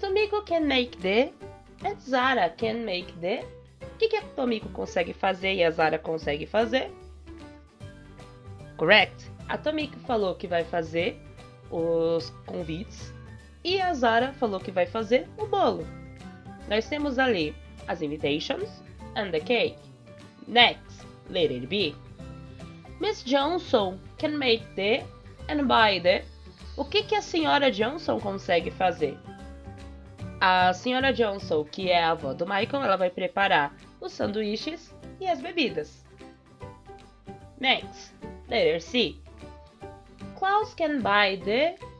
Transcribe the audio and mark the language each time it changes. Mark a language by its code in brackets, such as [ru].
[en] Tomiko can make the... And Zara can make the... [pt] O que, que a Tomiko consegue fazer e a Zara consegue fazer? [en] Correct. [pt] A Tomiko falou que vai fazer os convites e a Zara falou que vai fazer o bolo. Nós temos ali as [en] invitations and the cake. Next, letter B. Miss Johnson can make the and buy the. [pt] O que, que a senhora Johnson consegue fazer? A senhora Johnson, que é a avó do Michael, ela vai preparar os sanduíches e as bebidas. [en] Next, letter C. Klaus can buy the...